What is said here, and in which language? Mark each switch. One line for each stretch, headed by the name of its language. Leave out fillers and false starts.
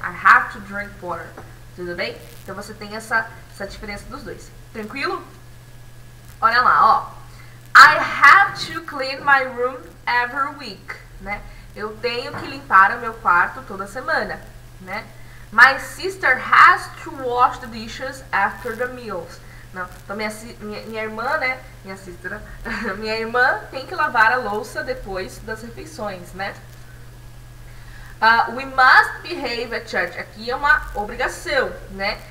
English: I have to drink water.
Portuguese: Tudo bem? Então você tem essa diferença dos dois. Tranquilo? Olha lá, ó.
English: I have to clean my room every week, né?
Portuguese: Eu tenho que limpar o meu quarto toda semana, né?
English: My sister has to wash the dishes after the meals.
Portuguese: Não, então minha irmã, né? Minha sister, minha irmã tem que lavar a louça depois das refeições, né?
English: We must behave at church.
Portuguese: Aqui é uma obrigação, né?